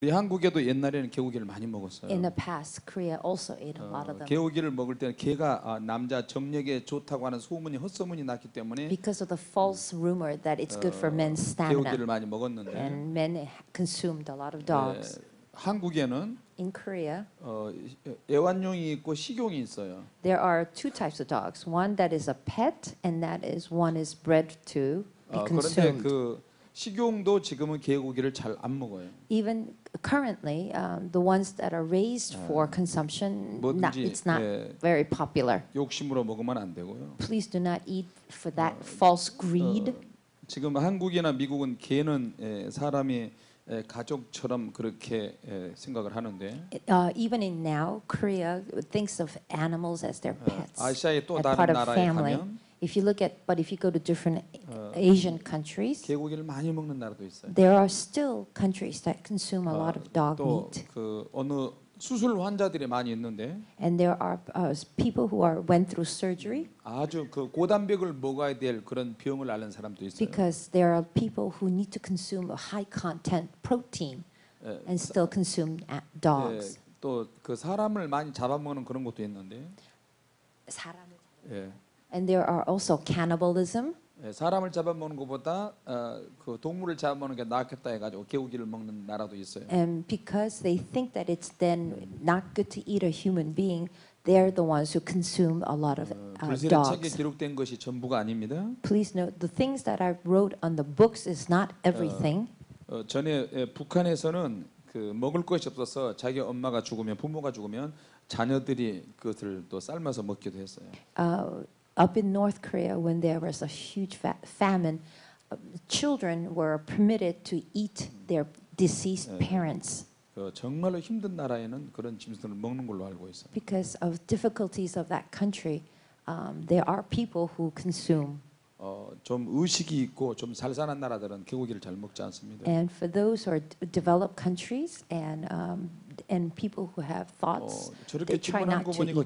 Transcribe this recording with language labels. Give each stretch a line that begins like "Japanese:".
Korean: 한국에도 옛날에는 개고기를 많이 먹었어요.
English: In the past, Korea also ate a lot of them.
Korean: 개고기를 먹을 때는 개가 남자 정력에 좋다고 하는 소문이 헛소문이 났기 때문에
English: Because of the false rumor that it's good for men's stamina.
Korean: 개고기를 많이 먹었는데
English: And men consumed a lot of dogs.
Korean: 한국에는
English: In Korea,
Korean: 애완용이 있고 식용이 있어요.
English: There are two types of dogs. One that is a pet and that is one is bred to be consumed.
Korean: 그런데 그 식용도 지금은 개고기를 잘 안 먹어요.
English: Even currently, the ones that are raised for consumption, it's not very popular.
Korean: 욕심으로 먹으면 안 되고요.
English: Please do not eat for that false greed.
Korean: 지금 한국이나 미국은 개는 사람이 가족처럼 그렇게 생각을 하는데.
English: Even in now, Korea thinks of animals as their pets.
Korean: 아시아의 또 다른 나라에 가면.
English: If you look at, but if you go to different Asian countries,
Korean: 개고기를 많이 먹는 나라도 있어요.
English: There are still countries that consume a lot of dog meat.
Korean: 그 어느 수술 환자들이 많이 있는데.
English: And there are people who are went through surgery.
Korean: 아주 그 고단백을 먹어야 될 그런 병을 앓는 사람도 있어요.
English: Because there are people who need to consume a high content protein and still consume dogs.
Korean: 또 그 사람을 많이 잡아먹는 그런 것도 있는데. 사람을. 예.
English: And there are also cannibalism.
Korean: 사람을 잡아먹는 것보다 그 동물을 잡아먹는 게 낫겠다 해가지고 개고기를 먹는 나라도 있어요.
English: And because they think that it's then not good to eat a human being, they're the ones who consume a lot of dogs.
Korean: 불세례 책에 기록된 것이 전부가 아닙니다.
English: Please note the things that I wrote on the books is not everything.
Korean: 전에 북한에서는 그 먹을 것이 없어서 자기 엄마가 죽으면 부모가 죽으면 자녀들이 그것을 또 삶아서 먹기도 했어요.
English: Up in North Korea, when there was a huge famine, children were permitted to eat their deceased parents.
Korean: 정말로 힘든 나라에는 그런 짐승을 먹는 걸로 알고 있어.
English: Because of difficulties of that country, there are people who consume.
Korean: 좀 의식이 있고 좀 잘 사는 나라들은 개고기를 잘 먹지 않습니다.
English: And for those who are developed countries and people who have thoughts, they try not to eat them.